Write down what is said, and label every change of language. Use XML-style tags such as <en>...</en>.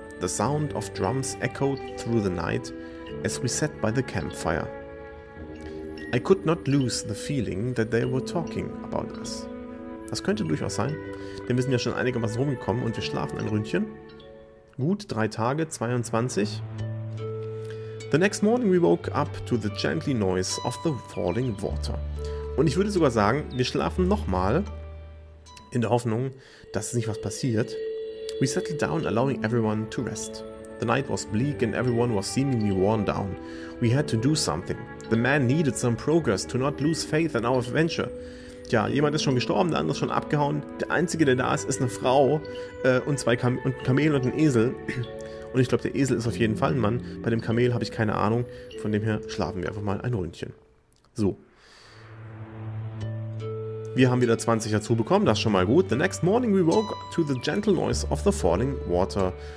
<en>The sound of drums echoed through the night as we sat by the campfire. I could not lose the feeling that they were talking about us.</en> <de>Das könnte durchaus sein, denn wir sind ja schon einigermaßen rumgekommen und wir schlafen ein Ründchen. Gut, 3 Tage, 22.</de> <en>The next morning we woke up to the gentle noise of the falling water.</en> <de>Und ich würde sogar sagen, wir schlafen nochmal in der Hoffnung, dass es nicht was passiert.</de> <en>We settled down, allowing everyone to rest. The night was bleak and everyone was seemingly worn down. We had to do something. The man needed some progress to not lose faith in our adventure.</en> <de>Ja, jemand ist schon gestorben, der andere ist schon abgehauen. Der Einzige, der da ist, ist eine Frau und zwei Kamel und ein Esel. Und ich glaube, der Esel ist auf jeden Fall ein Mann. Bei dem Kamel habe ich keine Ahnung. Von dem her schlafen wir einfach mal ein Ründchen. So. Wir haben wieder 20 dazu bekommen, das ist schon mal gut.</de> <en>The next morning we woke to the gentle noise of the falling water.</en>